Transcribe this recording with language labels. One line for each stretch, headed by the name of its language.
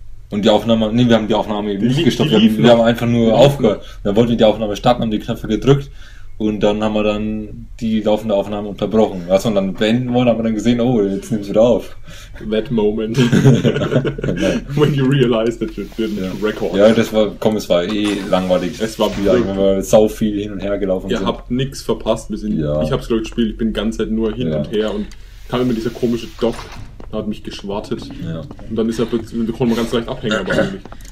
German: Und die Aufnahme, nee, wir haben die Aufnahme eben nicht gestoppt, wir haben einfach nur aufgehört. Dann wollten wir die Aufnahme starten, haben die Knöpfe gedrückt und dann haben wir dann die laufende Aufnahme unterbrochen. Was wir dann beenden wollen, haben wir dann gesehen, oh, jetzt nimmt's wieder auf.
English: That moment. When you realize that you didn't record.
German: Ja, das war, komm, es war eh langweilig. Es war blöd. Wenn wir sau viel hin und her gelaufen sind. Ihr habt nichts verpasst, wir sind, ich hab's gerade gespielt, ich bin die ganze Zeit nur hin und her und kam immer dieser komische Dock. Hat mich geschwartet. Ja. Und dann ist er plötzlich, wir konnten ganz leicht abhängen, aber eigentlich.